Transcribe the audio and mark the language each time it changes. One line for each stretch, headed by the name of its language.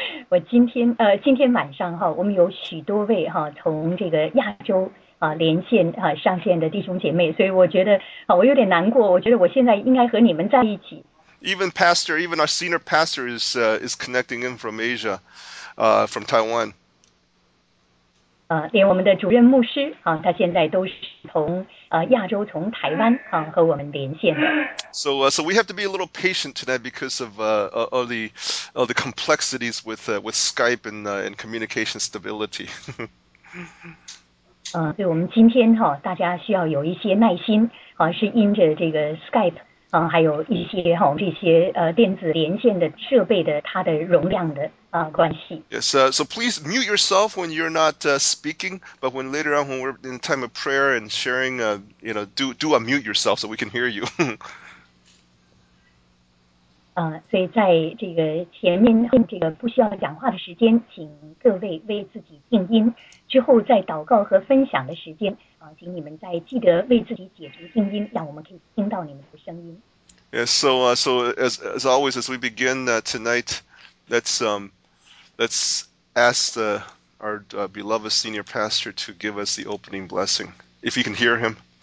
Chinese: 我今天晚上哈，我们有许多位哈从这个亚洲连线上线的弟兄姐妹，所以我觉得我有点难过，我觉得我现在应该和你们在一起。
English: Even pastor, even our senior pastor is connecting in from Asia, from Taiwan.
Chinese: 连我们的主任牧师他现在都是从亚洲从台湾和我们连线的。
English: So we have to be a little patient tonight because of all the complexities with Skype and communication stability.
Chinese: 所以我们今天哈，大家需要有一些耐心啊，是因着这个 Skype 啊，还有一些哈这些电子连线的设备的它的容量的关系。
English: Yes, so please mute yourself when you're not speaking, but when later on when we're in time of prayer and sharing, you know, do unmute yourself so we can hear you.
Chinese: 所以在这个前面这个不需要讲话的时间，请各位为自己静音。之后在祷告和分享的时间，请你们再记得为自己解除静音，让我们可以听到你们的声音。
English: Yes, so as always, as we begin tonight, let's ask our beloved senior pastor to give us the opening blessing, if you can hear him.